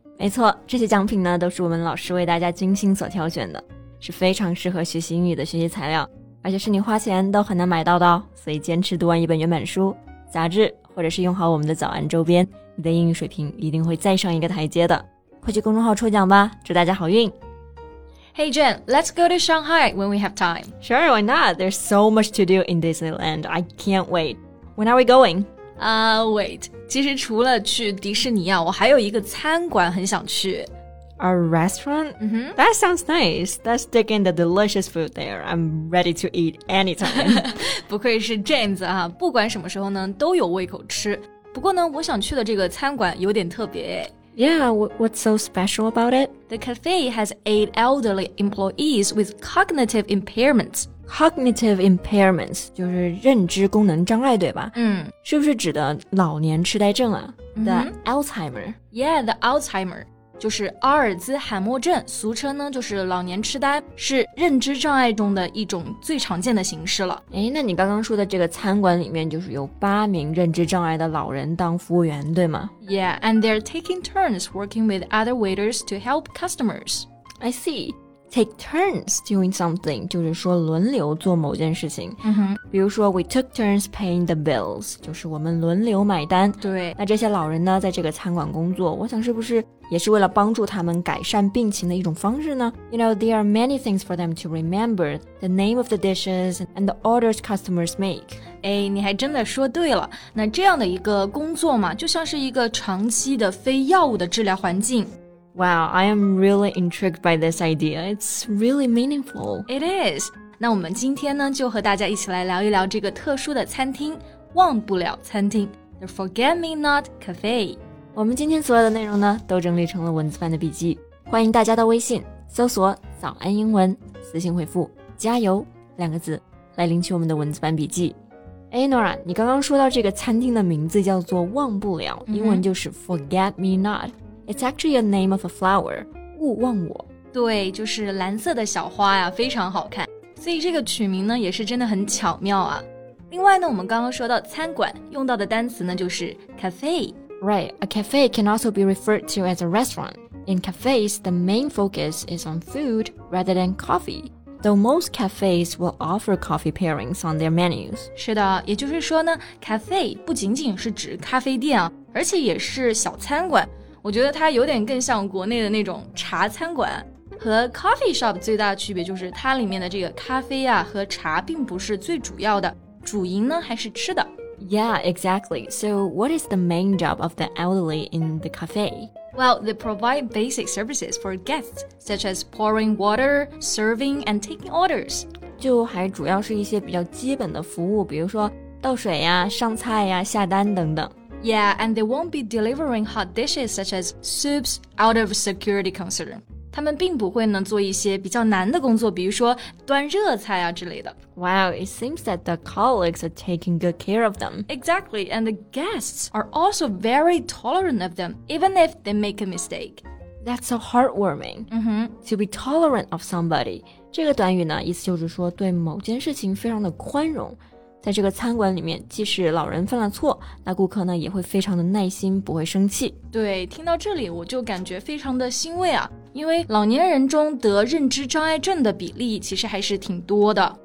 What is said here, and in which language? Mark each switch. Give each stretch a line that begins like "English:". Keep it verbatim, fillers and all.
Chinese: 没错，这些奖品呢，都是我们老师为大家精心所挑选的，是非常适合学习英语的学习材料。而且是你花钱都很难买到的哦，所以坚持读完一本原版书、杂志，或者是用好我们的早安周边，你的英语水平一定会再上一个台阶的。快去公众号抽奖吧，祝大家好运。
English: Hey Jen, let's go to Shanghai when we have time. Sure, why not? There's so much to do in Disneyland. I can't wait. When are we going? Uh, wait.
Chinese: 其实除了去迪士尼啊，我还有一个餐馆很想去。
English: A restaurant? Mm-hmm. That sounds nice. Let's dig in the delicious food there. I'm ready to eat anytime.
Chinese: 不愧是 James 啊，不管什么时候呢都有胃口吃。不过呢，我想去的这个餐馆有点特别。
English: Yeah, what's so special about it? The cafe has eight elderly employees with cognitive impairments. Cognitive impairments
Chinese: 就是认知功能障碍，对吧？嗯，是不是指的老年痴呆症啊？
English: The Alzheimer. Yeah, the Alzheimer.
Chinese: 就是阿尔兹海默症，俗称呢就是老年痴呆，是认知障碍中的一种最常见的形式了。诶，那你刚刚说的这个餐馆里面就是有八名认知障碍的老人当服务员，对吗？
English: Yeah, and they're taking turns working with other waiters to help customers. I see. Take turns doing something
Chinese: 就是说轮流做某件事情。嗯哼，比如说
English: we took turns paying the bills
Chinese: 就是我们轮流买单。对，那这些老人呢在这个餐馆工作，我想是不是也是为了帮助他们改善病情的一种方式呢？
English: You know, there are many things for them to remember, the name of the dishes and the orders customers make.
Chinese: 哎，你还真的说对了。那这样的一个工作嘛，就像是一个长期的非药物的治疗环境。
English: Wow, I am really intrigued by this idea. It's really meaningful. It is.
Chinese: 那我们今天呢，就和大家一起来聊一聊这个特殊的餐厅——忘不了餐厅 The Forget Me Not Cafe。我们今天所有的内容呢，都整理成了文字版的笔记。欢迎大家到微信搜索“早安英文”，私信回复“加油”两个字来领取我们的文字版笔记。哎 ，Nora， 你刚刚说到这个餐厅的名字叫做“忘不了”，英文就是 “Forget Me Not”。
English: It's actually a name of a flower,
Chinese: 勿忘我。对，就是蓝色的小花呀，非常好看。所以这个取名呢，也是真的很巧妙啊。另外呢，我们刚刚说到餐馆用到的单词呢，就是 cafe。
English: Right, a cafe can also be referred to as a restaurant. In cafes, the main focus is on food rather than coffee. Though most cafes will offer coffee pairings on their menus.
Chinese: 是的，也就是说呢 ，cafe 不仅仅是指咖啡店啊，而且也是小餐馆。我觉得它有点更像国内的那种茶餐馆，和 coffee shop 最大的区别就是它里面的这个咖啡啊和茶并不是最主要的，主营呢还是吃的。
English: Yeah, exactly. So what is the main job of the elderly in the cafe? Well, they provide basic services for guests, such as pouring water, serving, and taking orders.
Chinese: 就还主要是一些比较基本的服务，比如说倒水呀、上菜呀、下单等等。
English: Yeah, and they won't be delivering hot dishes such as soups out of security concern.
Chinese: 他们并不会呢做一些比较难的工作，比如说端热菜啊之类的。
English: Wow, it seems that the colleagues are taking good care of them. Exactly, and the guests are also very tolerant of them, even if they make a mistake. That's so heartwarming. Mm-hmm. To be tolerant of somebody.
Chinese: 这个短语呢，意思就是说对某件事情非常的宽容。在这个餐馆里面，即使老人犯了错，那顾客呢也会非常的耐心，不会生气。对，听到这里我就感觉非常的欣慰啊，因为老年人中得认知障碍症的比例其实还是挺多的。